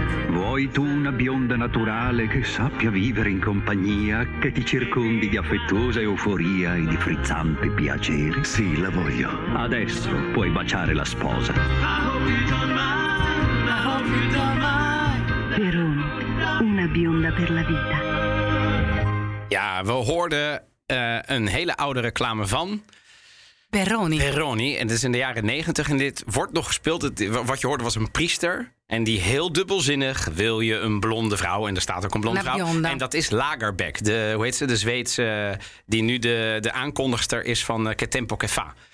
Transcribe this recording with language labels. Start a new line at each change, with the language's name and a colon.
Italian: Vuoi tu una bionda naturale che sappia vivere in compagnia, che ti circondi di affettuosa euforia e di frizzante piacere? Sì, la voglio. Adesso puoi baciare la sposa.
English: I hope you don't mind, I hope you don't mind.
Italian: Peron, una bionda per la vita.
Dutch: Ja, we hoorden een hele oude reclame van... Peroni. Peroni. En dat is in de jaren 90. En dit wordt nog gespeeld. Wat je hoorde was een priester. En die heel dubbelzinnig wil je een blonde vrouw. En er staat ook een blonde vrouw. En dat is Lagerbäck. De, hoe heet ze? De Zweedse die nu de aankondigster is van Ketempo Kefa.